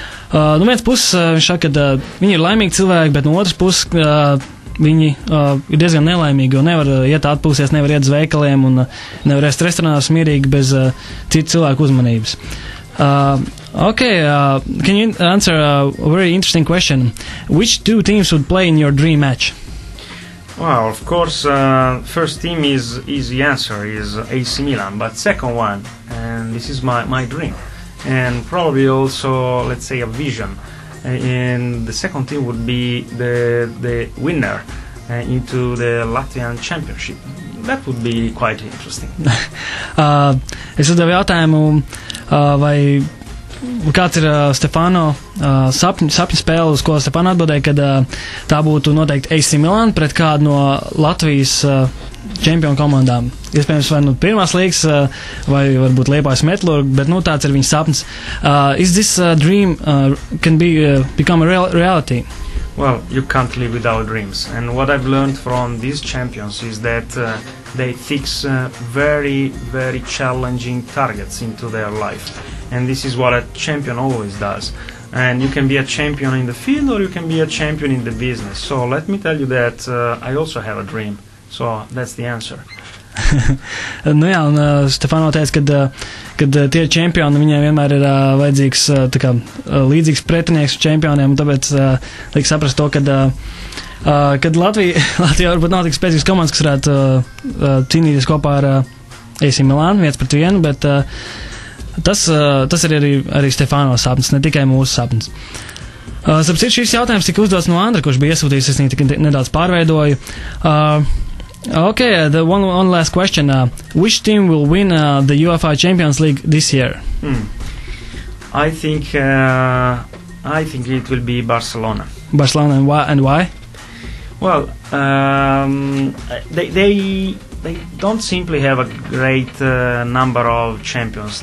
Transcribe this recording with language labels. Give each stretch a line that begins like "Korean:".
Latvian: No viens puses viņš saka, ka viņi ir laimīgi cilvēki, bet no otras puses viņi ir diezgan nelaimīgi, jo nevar iet atpūsties, nevar iet uz veikaliem un nevar ēst restorānās mierīgi bez citu cilvēku uzmanības.
English: Okay, can you answer a very interesting question? Which two teams would play in your dream match? Well, of course, first team is easy answer, is AC Milan. But second one, and this is my dream, and probably also, let's say, a vision. And the second team would be the winner into the Latvian championship. That would be quite interesting.
Latvian: Es uzdevu jautājumu, vai kāds ir Stefano sapņu spēle, uz ko Stefano atbildēja, kad tā būtu noteikti AC Milan pret kādu no Latvijas čempionu komandām. Iespējams, vai nu pirmās līgas, vai varbūt Liepājas Metalurgu, bet nu tāds ir viņa sapnis.
English: Is this dream can be become a reality? Well, you can't live without dreams. And what I've learned from these champions is that they fix very, very challenging targets into their life. And this is what a champion always does. And you can be a champion in the field or you can be a champion in the business. So let me tell you that I also have a dream. So that's the answer.
Latvian: Nu jā, un Stefano teica, kad tie čempioni, viņiem vienmēr ir vajadzīgs tā kā, līdzīgs pretinieks čempioniem, un tāpēc liek saprast to, kad Latvija varbūt nav tik spēcīgas komandas, kas varētu cīnīties kopā ar AC Milan, viens pret vienu, bet tas ir arī Stefano sapnis, ne tikai mūsu sapnis. Sapcīt, šīs jautājums tika uzdots no Andra, kurš bija iesūtījis, es tikai nedaudz pārveidoju.
English: Okay, the one last question. Which team will win the UEFA Champions League this year? I think it will be Barcelona. Barcelona and why? Well, they don't simply have a great number of champions.